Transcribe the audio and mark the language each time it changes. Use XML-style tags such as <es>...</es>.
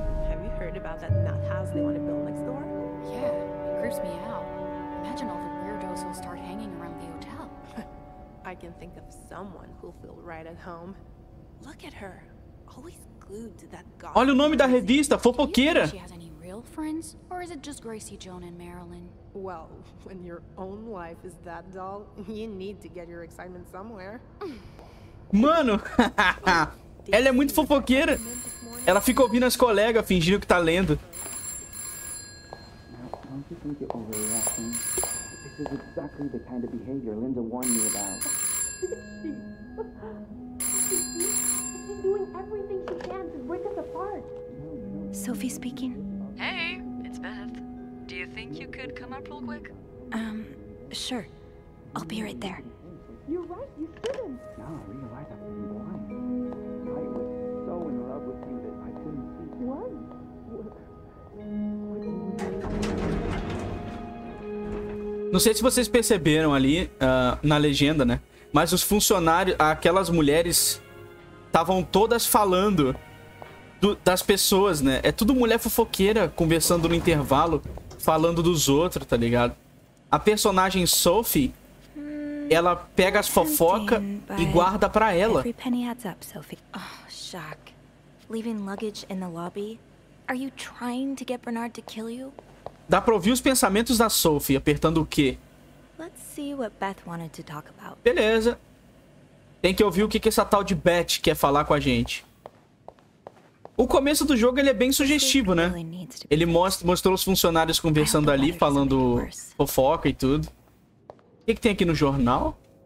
<en>Have you heard about that nut house they want to build next door? Yeah, it creeps me out. Imagine all the weirdos who'll start hanging around the hotel. I can think of someone who'll feel right at home. Look at her. Always glued to that god.</en> <pt>Olha o nome da revista, fofoqueira.</pt> <en>Real friends, or is it just Gracie, Joan, and Marilyn? Well, when your own life is that dull, you need to get your excitement somewhere.</en> <pt>Mano, ela é muito fofoqueira. Ela fica ouvindo as colegas fingindo que tá lendo.</pt> <en>Now, don't you think you're overreacting? This is exactly the kind of behavior Linda warned me about. She's doing everything she can to break us apart. Sophie speaking. Hey, it's Beth. Do you think you could come up real quick? Sure. I'll be right there. You're right, you shouldn't. Now I realize I've been blind. I was so in love with you that I couldn't see. What?</en> <pt>Não sei se vocês perceberam ali na legenda, né? Mas os funcionários, aquelas mulheres estavam todas falando das pessoas, né? É tudo mulher fofoqueira conversando no intervalo, falando dos outros, tá ligado? A personagem Sophie, ela pega as fofocas e guarda pra ela.</pt> <en>Every penny adds up, Sophie. Oh, shock. Leaving luggage in the lobby. Are you trying to get Bernard to kill you?</en> <pt>Dá pra ouvir os pensamentos da Sophie apertando o quê?</pt> <en>Let's see what Beth wanted to talk about.</en> <pt>Beleza. Tem que ouvir o que essa tal de Beth quer falar com a gente. O começo do jogo ele é bem sugestivo, né? Ele mostrou os funcionários conversando ali, falando fofoca e tudo. O que tem aqui no jornal?</pt>